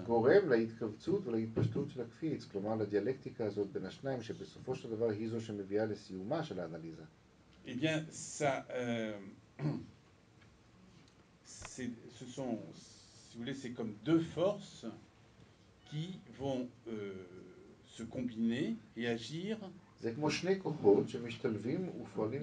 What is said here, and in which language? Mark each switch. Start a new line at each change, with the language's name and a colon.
Hebrew: גורם להתכווצות ולהתפשטות של הקפיץ, כלומר לדיאלקטיקה הזאת בין השניים, שבסופו של דבר היא זו שמביאה לסיומה של האנליזה.
French: Eh bien, ça, ce sont, si vous voulez, c'est comme deux forces qui vont se combiner et agir.
Hebrew: זה כמו שני כוחות שמשתלבים ופועלים